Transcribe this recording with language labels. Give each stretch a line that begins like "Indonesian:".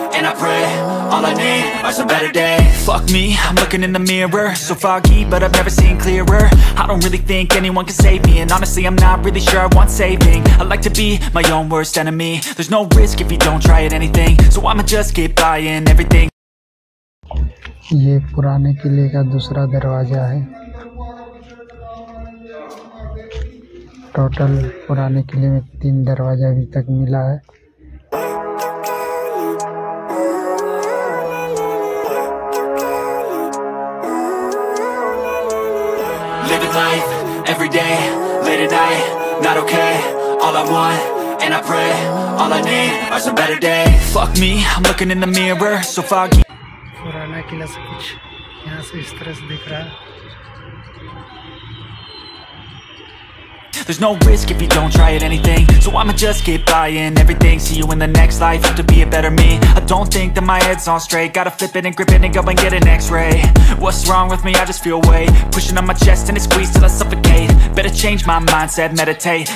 English: And I pray, all I need are some better days. Fuck me, I'm looking in the mirror. So foggy, but I've never seen clearer. I don't really think anyone can save me. And honestly, I'm not really sure I want saving. I like to be my own worst enemy. There's no risk if you don't try at anything. So I'ma just keep buying everything.
Hindi: ये पुराने किले का दूसरा दरवाजा है। Total पुराने किले में 3 दरवाजा अभी तक मिला है।
English: Live a life every day, late at night, not okay, all I want. And I pray, all I need are some better days. Fuck me, I'm looking in the mirror, so foggy.
Hindi: पुराना किला से कुछ यहाँ से इस तरह से दिख रहा है।
English: There's no risk if you don't try at anything. So I'ma just keep buying everything. See you in the next life, hope to be a better me. I don't think that my head's on straight. Gotta flip it and grip it and go and get an x-ray. What's wrong with me? I just feel weight pushing on my chest and it squeezes till I suffocate. Better change my mindset, meditate.